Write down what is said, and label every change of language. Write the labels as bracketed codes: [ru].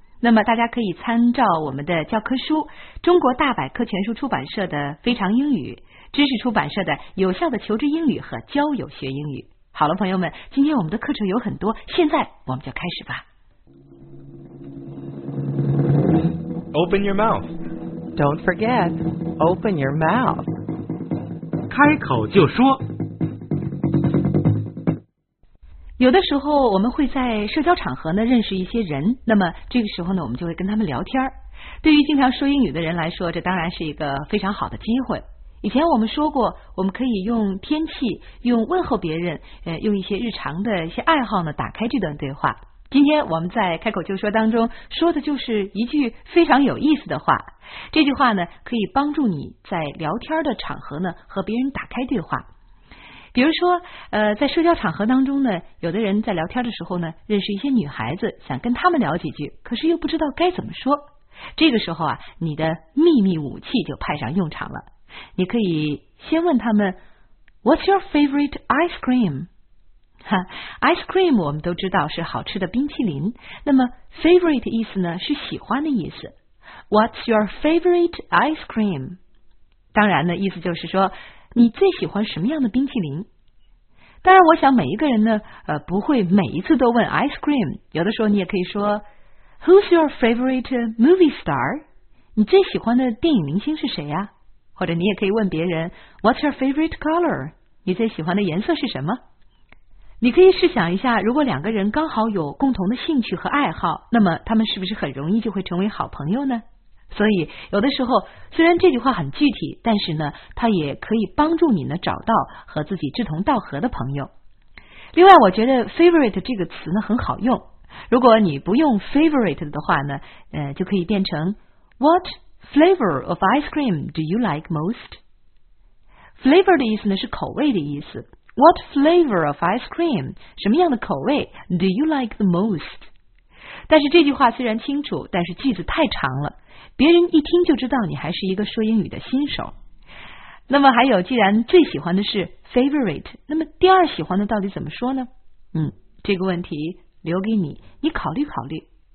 [zh] 那么大家可以参照我们的教科书，中国大百科全书出版社的非常英语，知识出版社的有效的求知英语和交友学英语。好了，朋友们，今天我们的课程有很多，现在我们就开始吧。 [en] Open your mouth. Don't forget, open your mouth. [zh] 开口就说。有的时候我们会在社交场合呢认识一些人，那么这个时候呢我们就会跟他们聊天。对于经常说英语的人来说，这当然是一个非常好的机会。以前我们说过，我们可以用天气，用问候别人，用一些日常的一些爱好呢打开这段对话。今天我们在开口就说当中说的就是一句非常有意思的话，这句话呢可以帮助你在聊天的场合呢和别人打开对话。比如说在社交场合当中呢，有的人在聊天的时候呢认识一些女孩子，想跟她们聊几句，可是又不知道该怎么说。这个时候啊，你的秘密武器就派上用场了。你可以先问他们 [en] What's your favorite ice cream? [zh] Ice cream 我们都知道是好吃的冰淇淋，那么 favorite 意思呢是喜欢的意思。 [en] What's your favorite ice cream? [zh] 当然呢意思就是说你最喜欢什么样的冰淇淋？当然我想每一个人呢不会每一次都问 ice cream， 有的时候你也可以说 [en] Who's your favorite movie star？ [zh] 你最喜欢的电影明星是谁呀？或者你也可以问别人 [en] What's your favorite color？ [zh] 你最喜欢的颜色是什么？你可以试想一下，如果两个人刚好有共同的兴趣和爱好，那么他们是不是很容易就会成为好朋友呢？所以有的时候虽然这句话很具体，但是呢它也可以帮助你呢找到和自己志同道合的朋友。另外我觉得 favorite 这个词呢很好用，如果你不用 favorite 的话呢就可以变成 [en] What flavor of ice cream do you like most? [zh] Flavor 的意思呢是口味的意思。 [en] What flavor of ice cream [zh] 什么样的口味 [en] do you like the most? [zh] 但是这句话虽然清楚，但是句子太长了，别人一听就知道你还是一个说英语的新手。那么还有，既然最喜欢的是 favorite， 那么第二喜欢的到底怎么说呢？这个问题留给你，你考虑考虑。